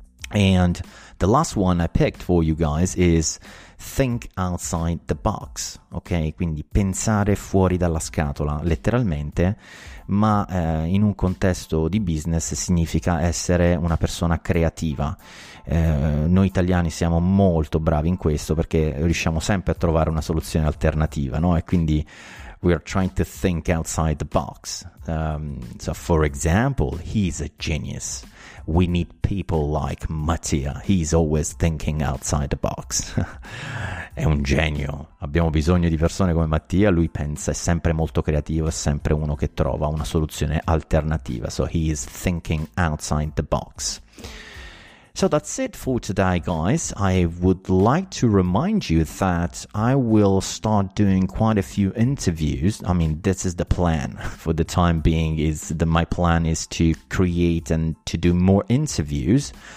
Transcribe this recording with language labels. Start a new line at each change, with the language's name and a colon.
English: And the last one I picked for you guys is think outside the box.
Italian: Ok, quindi pensare fuori dalla scatola, letteralmente, ma in un contesto di business significa essere una persona creativa. Noi italiani siamo molto bravi in questo perché riusciamo sempre a trovare una soluzione alternativa, no? E quindi
English: we are trying to think outside the box. So for example, he's a genius. We need people like Mattia. He's always thinking outside the box.
Italian: È un genio. Abbiamo bisogno di persone come Mattia. Lui pensa, è sempre molto creativo, è sempre uno che trova una soluzione alternativa.
English: So he is thinking outside the box. So that's it for today, guys. I would like to remind you that I will start doing quite a few interviews. I mean, this is the plan for the time being, is that my plan is to create and to do more interviews.